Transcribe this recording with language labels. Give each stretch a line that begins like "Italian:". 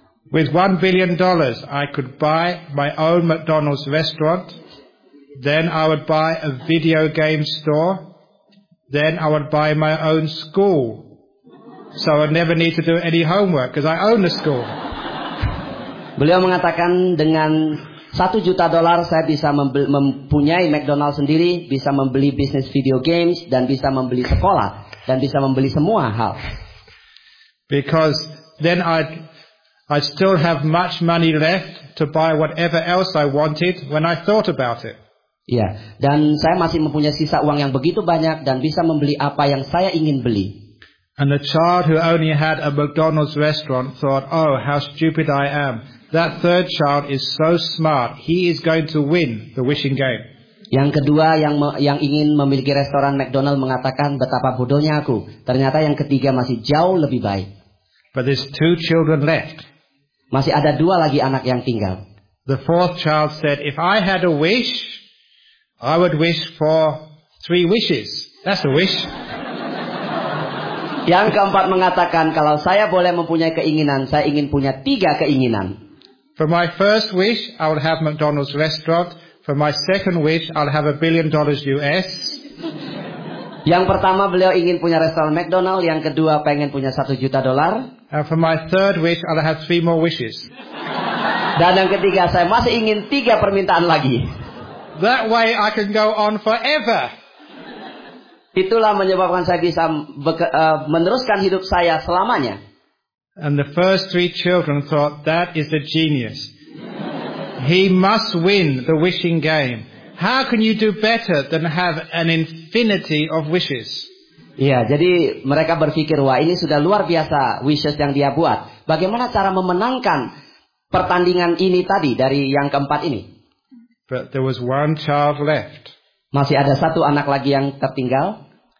English: With $1 billion, I could buy my own McDonald's restaurant. Then I would buy a video game store. Then I would buy my own school. So I never need to do any homework because I own the school.
Indonesian: Beliau mengatakan dengan $1 juta saya bisa mempunyai McDonald's sendiri, bisa membeli bisnis video games, dan bisa membeli sekolah, dan bisa membeli semua hal.
English: Because then I'd still have much money left to buy whatever else I wanted when I thought about it.
Indonesian: Ya, dan saya masih mempunyai sisa uang yang begitu banyak dan bisa membeli apa yang saya ingin beli.
English: And the child who only had a McDonald's restaurant thought, oh, how stupid I am. That third child is so smart, he is going to win the wishing game.
Indonesian: Yang kedua yang ingin memiliki restoran McDonald's mengatakan, betapa bodohnya aku. Ternyata yang ketiga masih jauh lebih baik.
English: But there's two children left.
Indonesian: Masih ada dua lagi anak yang tinggal.
English: The fourth child said, if I had a wish, I would wish for 3 wishes. That's a wish.
Indonesian: Yang keempat mengatakan, kalau saya boleh mempunyai keinginan, saya ingin punya 3 keinginan.
English: For my first wish, I would have McDonald's restaurant. For my second wish, I'll have $1 billion US.
Indonesian: Yang pertama beliau ingin punya restoran McDonald's, yang kedua pengen punya $1 juta.
English: And for my third wish, I'll have 3 more wishes.
Indonesian: Dan yang ketiga, saya masih ingin 3 permintaan lagi.
English: That way I can go on forever.
Indonesian: Itulah menyebabkan saya bisa meneruskan hidup saya selamanya.
English: And the first 3 children thought, that is the genius. He must win the wishing game. How can you do better than have an infinity of wishes?
Indonesian: Iya, jadi mereka berpikir, wah ini sudah luar biasa wishes yang dia buat. Bagaimana cara memenangkan pertandingan ini tadi dari yang keempat ini?
English: But there was one child left.
Indonesian: Masih ada satu anak lagi yang tertinggal.